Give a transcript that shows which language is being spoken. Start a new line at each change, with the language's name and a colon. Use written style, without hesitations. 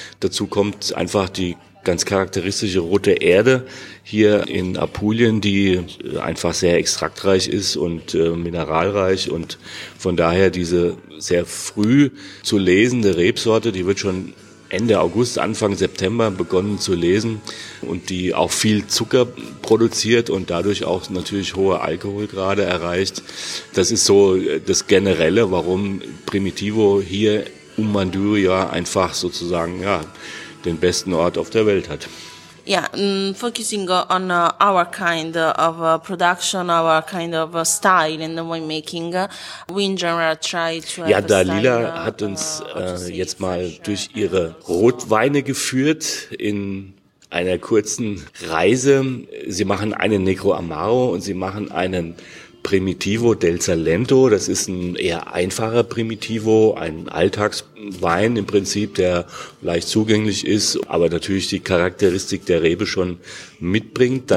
German: Dazu kommt einfach die ganz charakteristische rote Erde hier in Apulien, die einfach sehr extraktreich ist und mineralreich, und von daher diese sehr früh zu lesende Rebsorte, die wird schon Ende August, Anfang September begonnen zu lesen und die auch viel Zucker produziert und dadurch auch natürlich hohe Alkoholgrade erreicht. Das ist so das Generelle, warum Primitivo hier um Manduria einfach sozusagen, ja, den besten Ort auf der Welt hat.
English: Yeah, focusing on our kind of production, our kind of style in the winemaking, we in general try to.
German: Ja, Dalila hat uns jetzt mal durch ihre Rotweine geführt in einer kurzen Reise. Sie machen einen Negro Amaro und sie machen einen Primitivo del Salento. Das ist ein eher einfacher Primitivo, ein Alltagswein im Prinzip, der leicht zugänglich ist, aber natürlich die Charakteristik der Rebe schon mitbringt.